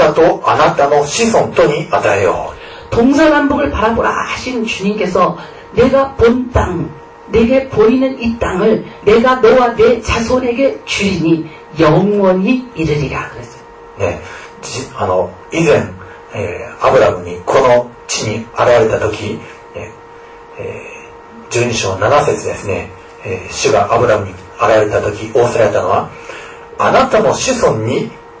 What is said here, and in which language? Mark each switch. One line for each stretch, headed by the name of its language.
Japanese: 私はあなたが見渡しているこの地全部を永久にあなたとあなたの子孫とに与えよう。
Korean: 동서남북을 바라보라 하신 주님께서 내가 본 땅, 내게 보이는 이 땅을 내가 너와 내 자손에게 주리니 영원히 이르리라 그랬어요.
Japanese: ね、以前アブラムにこの地に現れた時、12章7節ですね。主がアブラムに現れた時、仰せられたのは、あなたの子孫に